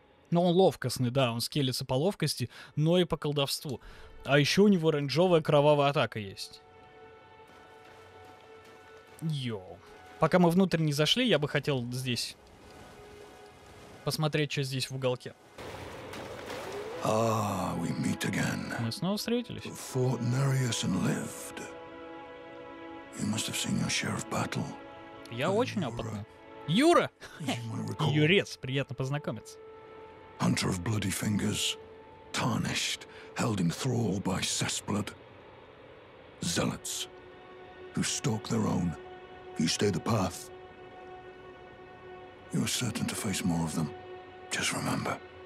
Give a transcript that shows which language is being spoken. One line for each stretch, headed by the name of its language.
Russian: Но он ловкостный, да, он скелится по ловкости, но и по колдовству. А еще у него рейнджовая кровавая атака есть. Йоу. Пока мы внутрь не зашли, я бы хотел здесь посмотреть, что здесь в уголке.
English: We meet again.
Russian: Мы снова встретились.
English: Fought Narius and lived. You must have seen your share of battle.
Russian: Я очень опытный. Юра! Юрец, приятно познакомиться.
English: Hunter of Bloody Fingers, tarnished, held in thrall by Cessblood. Zealots, who stalk their own. You stay the path. You're certain to face more of them. Just remember.